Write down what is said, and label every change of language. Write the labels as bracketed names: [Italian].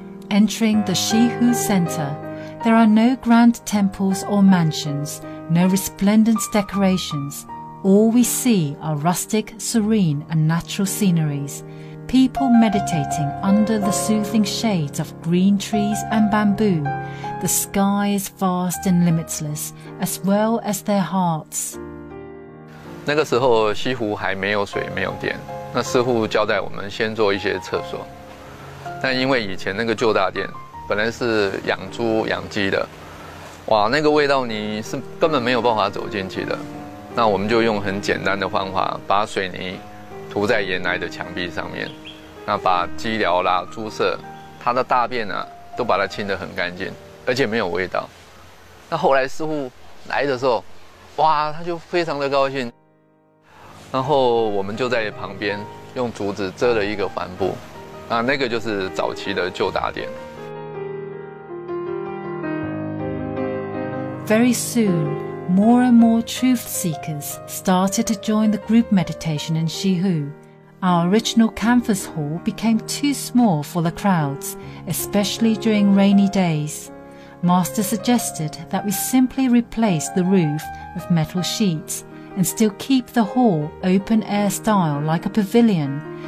[English] Entering the Shihu Center, there are no grand temples or mansions, no resplendent decorations. All we see are rustic, serene and natural sceneries, people meditating under the soothing shades of green trees and bamboo. The sky is vast and limitless, as well as their hearts. [Chinese] 那个时候西湖还没有水，没有电。那师父交代我们先做一些厕所。但因为以前那个旧大殿本来是养猪养鸡的，哇，那个味道你是根本没有办法走进去的。那我们就用很简单的方法，把水泥涂在岩来的墙壁上面，那把鸡寮啦、猪舍，它的大便啊，都把它清得很干净。而且没有味道。那后来师父来的时候，哇，他就非常的高兴。然后我们就在旁边用竹子遮了一个帆布，那那个就是早期的旧大殿。 [English] Very soon, more and more truth seekers started to join the group meditation in Shihu. Our original canvas hall became too small for the crowds, especially during rainy days. Master suggested that we simply replace the roof with metal sheets and still keep the hall open-air style like a pavilion.